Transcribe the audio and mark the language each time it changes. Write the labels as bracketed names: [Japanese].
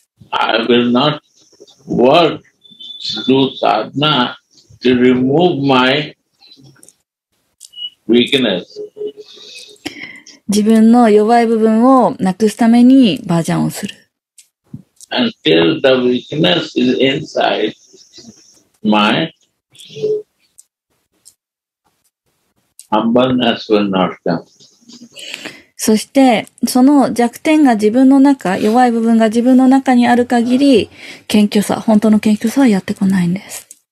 [English] I will not work through sadhana to remove my weakness. [Japanese] 自分の弱い部分をなくすためにバジャンをする。 [English] Until the weakness is inside my humbleness will not come. [Japanese] そしてその弱点が自分の中、弱い部分が自分の中にある限り、謙虚さ、本当の謙虚さはやってこないんです。